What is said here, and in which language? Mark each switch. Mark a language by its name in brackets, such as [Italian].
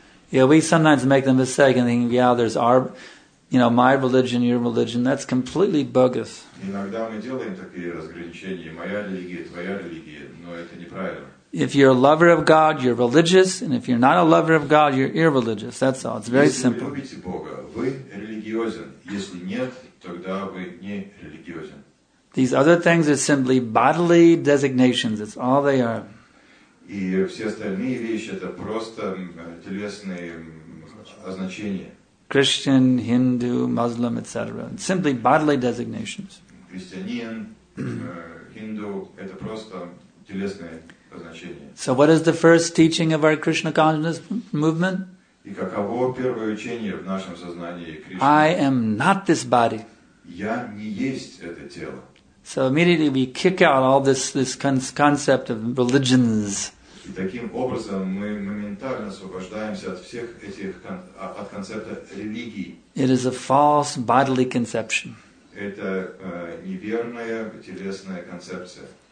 [English] Yeah, we sometimes make the mistake and think, yeah, there's our, you know, my religion, your religion. That's completely bogus. [Russian] Иногда мы делаем такие разграничения: моя религия, твоя религия, но это неправильно. [English] If you're a lover of God, you're religious, and if you're not a lover of God, you're irreligious. That's all. It's very simple. [Russian] Если вы любите Бога, вы религиозен. Если нет, тогда вы не религиозен. [English] These other things are simply bodily designations. That's all they are. [Russian] И все остальные вещи это просто телесные означения. [English] Christian, Hindu, Muslim, etc. Simply bodily designations. [Russian] Христианин, Hindu это просто телесные. [English] So what is the first teaching of our Krishna consciousness movement? [Russian] И каково первое учение в нашем сознании Кришны? [English] I am not this body. [Russian] Я не есть это тело. [English] So immediately we kick out all this concept of religions. [Russian] И таким образом мы моментально освобождаемся от всех этих от концепта религии. [English] It is a false bodily conception. [Russian] Это неверная телесная концепция.